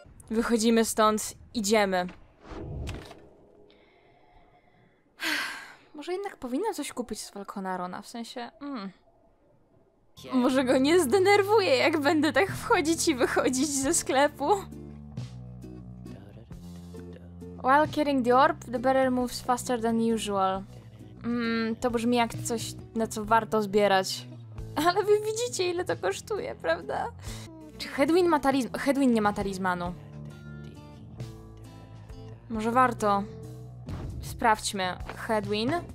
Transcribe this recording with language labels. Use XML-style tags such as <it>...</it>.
<pl>Wychodzimy stąd, idziemy. Może jednak powinna coś kupić z Falconarona, w sensie... Może go nie zdenerwuję, jak będę tak wchodzić i wychodzić ze sklepu?</pl> <en>While carrying the orb, the bearer moves faster than usual.</en> <pl>To brzmi jak coś, na co warto zbierać. Ale wy widzicie, ile to kosztuje, prawda? Czy Hedwin ma talizman? Hedwin nie ma talizmanu. Może warto. Sprawdźmy. Hedwin.</pl>